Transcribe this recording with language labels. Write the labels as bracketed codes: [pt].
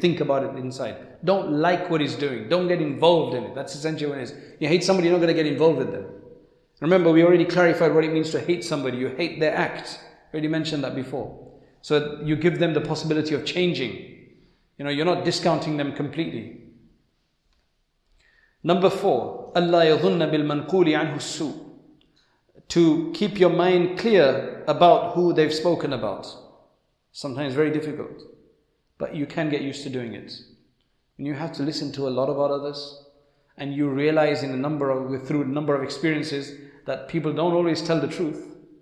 [en] Think about it inside. Don't like what he's doing. Don't get involved in it. That's essentially what it is. You hate somebody, you're not going to get involved with them. Remember, we already clarified what it means to hate somebody. You hate their act. Already mentioned that before. So you give them the possibility of changing. You know, you're not discounting them completely. Number four, [ar] أَلَّا يَظُنَّ بِالْمَنْقُولِ عَنْهُ السُّوءِ. [en] To keep your mind clear about who they've spoken about. Sometimes very difficult, but you can get used to doing it. And you have to listen to a lot about others, and you realize through a number of experiences that people don't always tell the truth.